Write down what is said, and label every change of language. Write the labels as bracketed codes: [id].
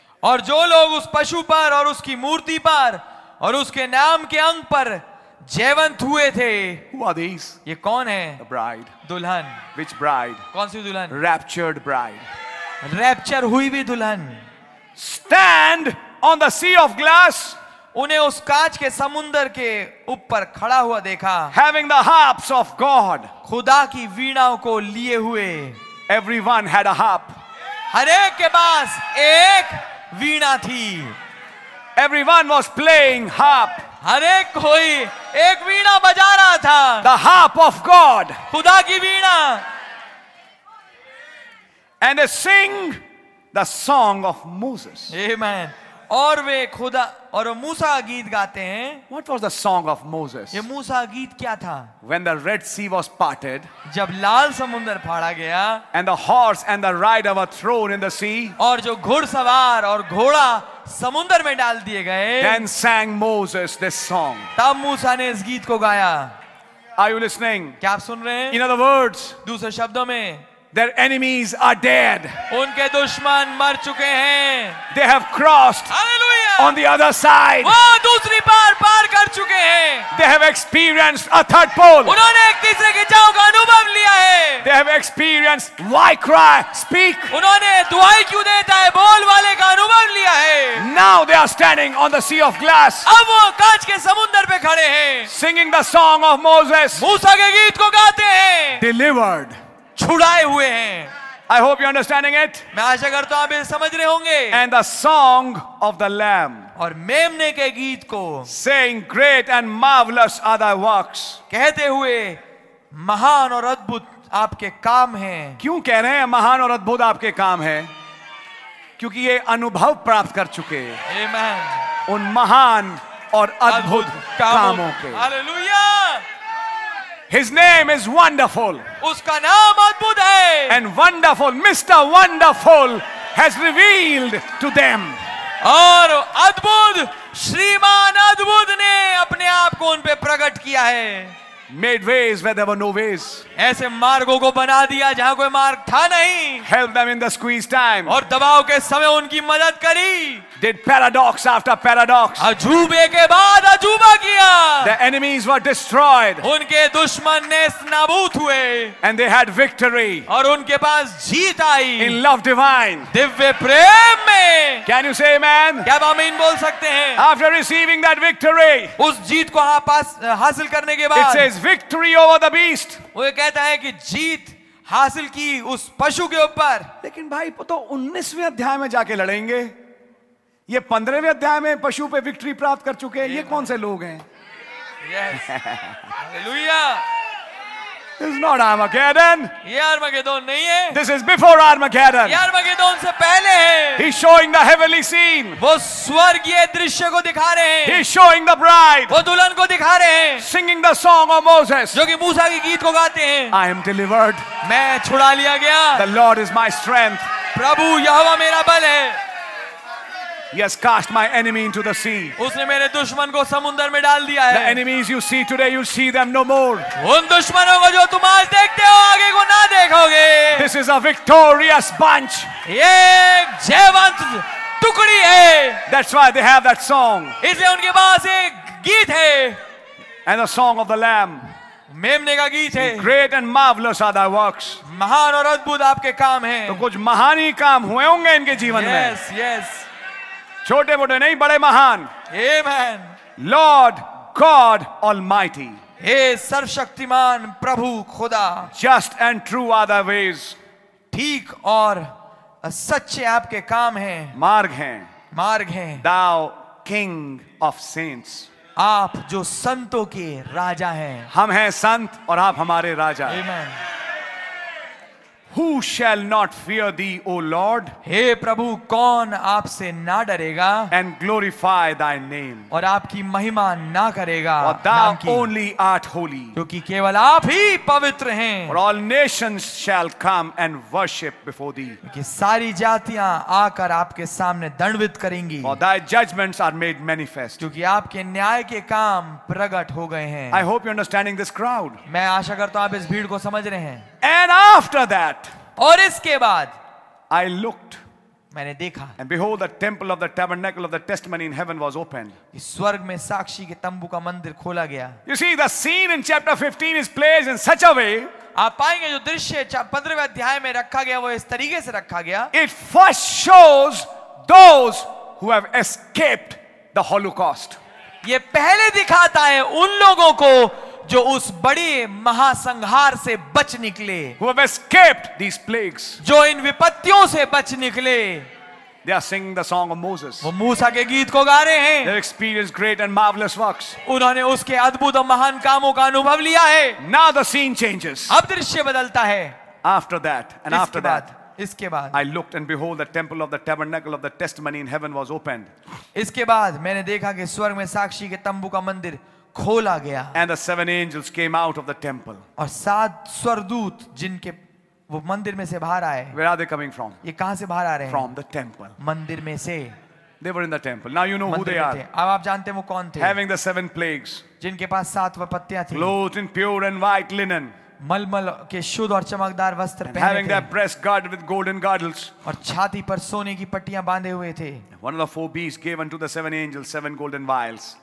[hi] और जो लोग उस पशु पर और उसकी मूर्ति पर और उसके नाम के अंग पर जयवंत हुए थे [en] Who are these? [hi] ये कौन है [en] The bride. [hi] दुल्हन [en] Which bride? [hi] कौन सी दुल्हन [en] Raptured bride. [hi] रैप्चर हुई भी दुल्हन [en] Stand on the sea of glass. [hi] उन्हें उस कांच के समुंदर के ऊपर खड़ा हुआ देखा [en] Having the harps of God. [hi] खुदा की वीणाओं को लिए हुए [en] Everyone had a harp. [hi] हरेक के पास एक वीणा थी [en] Everyone was playing harp. [hi] हरे कोई एक वीणा बजा रहा था [en] The harp of God. [hi] खुदा की वीणा [en] And they sing the song of Moses. Amen. [hi] और वे खुदा और मूसा का गीत गाते हैं [en] What was the song of Moses? [hi] ये मूसा का गीत क्या था [en] When the Red Sea was parted. [hi] जब लाल समुंदर फाड़ा गया [en] And the horse and the rider were thrown in the sea. [hi] और जो घुड़सवार और घोड़ा समुंदर में डाल दिए गए [en] Then sang Moses this song. [hi] तब मूसा ने इस गीत को गाया [en] Are you listening? [hi] क्या आप सुन रहे हैं [en] In other words. [hi] दूसरे शब्दों में [en] Their enemies are dead. उनके दुश्मन मर चुके हैं. They have crossed Hallelujah. on the other side. [hi] वो दूसरी पार कर चुके हैं. [en] They have experienced a third pole. [hi] उन्होंने एक तीसरे खिंचाव का अनुभव लिया है. [en] They have experienced why cry, speak. [hi] उन्होंने दुआई क्यों देता है बोल वाले का अनुभव लिया है. [en] Now they are standing on the sea of glass. [hi] अब वो कांच के समुंदर पे खड़े हैं. [en] Singing the song of Moses. [hi] मूसा के गीत को गाते हैं. [en] Delivered. [hi] छुड़ाए हुए हैं [en] I hope you understanding it [hi] मैं आशा करता हूं आप ये समझ रहे होंगे [en] and the song of the lamb [hi] और मेमने के गीत को [en] saying great and marvellous are thy works [hi] कहते हुए महान और अद्भुत आपके काम हैं क्यों कह रहे हैं महान और अद्भुत आपके काम हैं क्योंकि ये अनुभव प्राप्त कर चुके आमीन उन महान और अद्भुत कामों के hallelujah [en] His name is wonderful. [hi] उसका नाम अद्भुत है. [en] And wonderful, Mr. Wonderful has revealed to them. [hi] और अद्भुत श्रीमान अद्भुत ने अपने आप को उन पे प्रकट किया है. [en] Made ways where there were no ways. [hi] ऐसे मार्गों को बना दिया जहाँ कोई मार्ग था नहीं. [en] Help them in the squeeze time. [hi] और दबाव के समय उनकी मदद करी. [en] Did paradox after paradox. [hi] अजूबे के बाद अजूबा किया. [en] The enemies were destroyed. [hi] उनके दुश्मन ने नाबूत हुए. [en] And they had victory. [hi] और उनके पास जीत आई. [en] In love divine. [hi] दिव्य प्रेम में. [en] Can you say amen? [hi] क्या आमीन बोल सकते हैं? [en] After receiving that victory. [hi] उस जीत को हासिल करने के बाद. [en] Says victory over the beast. [hi] वो ये कहता है कि जीत हासिल की उस पशु के ऊपर. लेकिन भाई तो 19वें अध्याय में जाके लड़ेंगे. ये 15वें अध्याय में पशु पे विक्ट्री प्राप्त कर चुके हैं. ये कौन से लोग हैं? [en] Yes. Hallelujah. This is not Armageddon. [hi] ये आर्मगेडन नहीं है. [en] This is before Armageddon. [hi] ये आर्मगेडन से पहले है. [en] He's showing the heavenly scene. [hi] वो स्वर्गीय दृश्य को दिखा रहे हैं. [en] He's showing the bride. [hi] वो दुल्हन को दिखा रहे हैं. [en] Singing the song of Moses. [hi] जो कि मूसा के गीत को गाते हैं. [en] I am delivered. [hi] मैं छुड़ा लिया गया. [en] The Lord is my strength. [hi] प्रभु यहोवा मेरा बल है. [en] He has cast my enemy into the sea. [hi] उसने मेरे दुश्मन को समुद्र में डाल दिया है. [en] The enemies you see today, you see them no more. [hi] उन दुश्मनों को जो तुम आज देखते हो, आगे को ना देखोगे. [en] This is a victorious bunch. [hi] ये एक जयवंत टुकड़ी है. [en] That's why they have that song. [hi] इसलिए उनके पास एक गीत है. [en] And the song of the Lamb. [hi] मेमने का गीत है. [en] Great and marvelous are thy works. [hi] महान और अद्भुत आपके काम हैं. तो कुछ महान ही काम हुए होंगे इनके जीवन में. [en] Yes, yes. [hi] छोटे मोटे नहीं, बड़े महान. [en] Amen. Lord God Almighty. [hi] हे सर्वशक्तिमान प्रभु खुदा. [en] Just and true are the ways. [hi] ठीक और सच्चे आपके काम हैं. मार्ग हैं. मार्ग हैं. [en] Thou King of Saints. [hi] आप जो संतों के राजा हैं. हम हैं संत और आप हमारे राजा. [en] Amen. Who shall not fear thee, O Lord? [hi] हे प्रभु कौन आपसे ना डरेगा? [en] And glorify thy name. [hi] और आपकी महिमा ना करेगा. [en] For thou only art holy. [hi] क्योंकि केवल आप ही पवित्र हैं. [en] For all nations shall come and worship before thee. [hi] क्योंकि सारी जातियां आकर आपके सामने दंडवित करेंगी. [en] For thy judgments are made manifest. [hi] क्योंकि आपके न्याय के काम प्रकट हो गए हैं. [en] I hope you're understanding this crowd. [hi] मैं आशा करता हूं आप इस भीड़ को समझ रहे हैं. [en] And after that, [hi] और इसके बाद, [en] I looked, [hi] मैंने देखा, [en] and behold, the temple of the tabernacle of the testimony in heaven was opened. [hi] इस स्वर्ग में साक्षी के तंबू का मंदिर खोला गया. [en] You see, the scene in chapter 15 is placed in such a way. [hi] आप पाएंगे जो दृश्य 15वें अध्याय में रखा गया वो इस तरीके से रखा गया. [en] It first shows those who have escaped the Holocaust. [hi] ये पहले दिखाता है उन लोगों को जो उस बड़े महासंहार से बच निकले. [en] Who have escaped these plagues. [hi] जो इन विपत्तियों से बच निकले. [en] They are singing the song of Moses. [hi] वो मूसा के गीत को गा रहे हैं. [en] They experienced great and marvelous works. [hi] उन्होंने उसके अद्भुत और महान कामों का अनुभव लिया है. [en] Now the scene changes. [hi] अब दृश्य बदलता है. [en] After that and after that. [hi] इसके बाद. [en] I looked and behold the temple of the tabernacle of the testimony in heaven was opened. [hi] इसके बाद मैंने देखा कि स्वर्ग में साक्षी के तंबू का मंदिर खोला गया. [en] And the seven angels came out of the temple. [hi] और सात स्वर्गदूत जिनके वो मंदिर में से बाहर आए. [en] Where are they coming from? [hi] ये कहां से बाहर आ रहे हैं? [en] From the temple. [hi] मंदिर में से. [en] They were in the temple. Now you know who they are. [hi] अब आप जानते हैं वो कौन थे? [en] Having the seven plagues. [hi] जिनके पास सात विपत्तियां थी. [en] Clothed in pure and white linen. [hi] मलमल के शुद्ध और चमकदार वस्त्र पहने थे. [en] Having their breast guard with golden girdles. [hi] और छाती पर सोने की पट्टियां बांधे हुए थे. [en] One of the four beasts gave unto the seven angels seven golden vials.